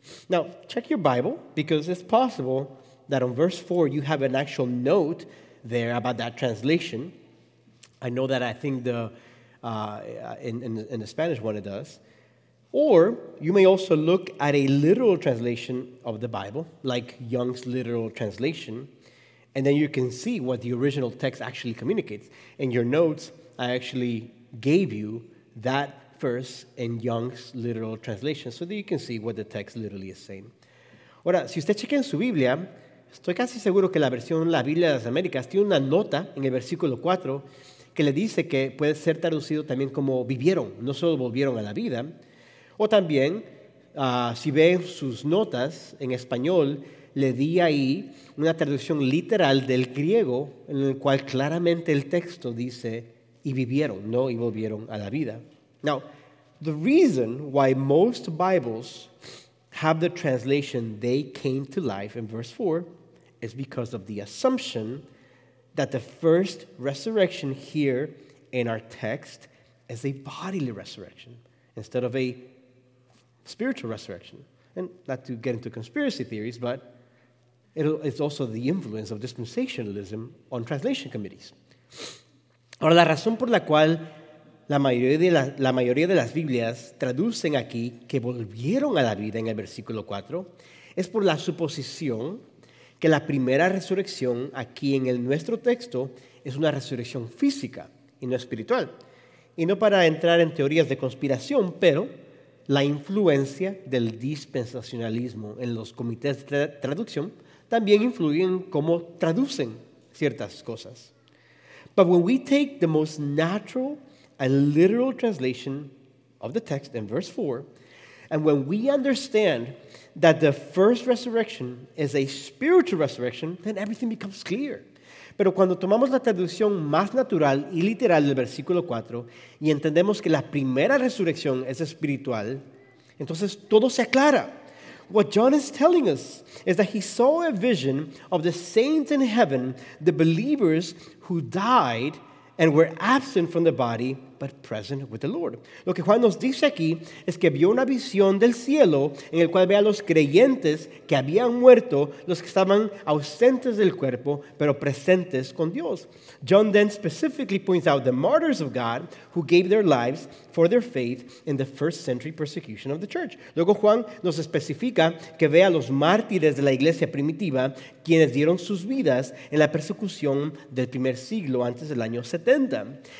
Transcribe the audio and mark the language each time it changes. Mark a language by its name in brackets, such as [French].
[English] Now, check your Bible, because it's possible that on verse 4 you have an actual note there about that translation. I know that I think the in the Spanish one it does. Or you may also look at a literal translation of the Bible, like Young's Literal Translation, and then you can see what the original text actually communicates. In your notes, I actually gave you that first in Young's Literal Translation, so that you can see what the text literally is saying. [Spanish] Ahora, si usted checa en su Biblia, estoy casi seguro que la versión La Biblia de las Américas tiene una nota en el versículo 4 que le dice que puede ser traducido también como vivieron, no solo volvieron a la vida. O también, si ve sus notas en español, le di ahí una traducción literal del griego en el cual claramente el texto dice y vivieron, no y volvieron a la vida. [English] Now, the reason why most Bibles have the translation they came to life in verse 4 is because of the assumption that the first resurrection here in our text is a bodily resurrection instead of a spiritual resurrection. And not to get into conspiracy theories, but it's also the influence of dispensationalism on translation committees. [Spanish] Ahora, la razón por la cual La mayoría de las Biblias traducen aquí que volvieron a la vida en el versículo 4 es por la suposición que la primera resurrección aquí en nuestro texto es una resurrección física y no espiritual. Y no para entrar en teorías de conspiración, pero la influencia del dispensacionalismo en los comités de traducción también influye en cómo traducen ciertas cosas. [English] But when we take the most natural a literal translation of the text in verse 4, and when we understand that the first resurrection is a spiritual resurrection, then everything becomes clear. [Spanish] Pero cuando tomamos la traducción más natural y literal del versículo 4 y entendemos que la primera resurrección es espiritual, entonces todo se aclara. [English] What John is telling us is that he saw a vision of the saints in heaven, the believers who died and were absent from the body but present with the Lord. [Spanish] Lo que Juan nos dice aquí es que vio una visión del cielo en el cual ve a los creyentes que habían muerto, los que estaban ausentes del cuerpo, pero presentes con Dios. [English] John then specifically points out the martyrs of God who gave their lives for their faith in the first century persecution of the church. [Spanish] Luego Juan nos especifica que ve a los mártires de la iglesia primitiva quienes dieron sus vidas en la persecución del primer siglo antes del año 70.